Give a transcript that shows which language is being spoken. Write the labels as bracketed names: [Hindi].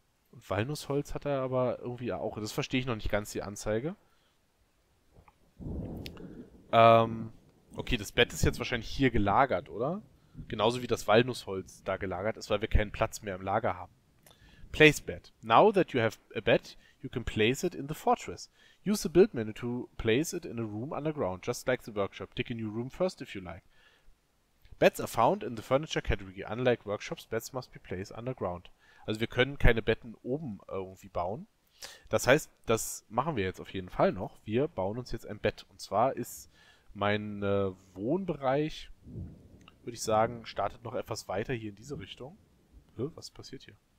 [German] Und Walnussholz hat er aber irgendwie auch. Das verstehe ich noch nicht ganz, die Anzeige. Okay, das Bett ist jetzt wahrscheinlich hier gelagert, oder? Genauso wie das Walnussholz da gelagert ist, weil wir keinen Platz mehr im Lager haben. [English] Place bed. Now that you have a bed, you can place it in the fortress. Use the build menu to place it in a room underground, just like the workshop. Dig a new room first if you like. Beds are found in the furniture category. Unlike workshops, beds must be placed underground. [German] Also wir können keine Betten oben irgendwie bauen. Das heißt, das machen wir jetzt auf jeden Fall noch. Wir bauen uns jetzt ein Bett. Und zwar ist mein Wohnbereich, würde ich sagen, startet noch etwas weiter hier in diese Richtung. Was passiert hier?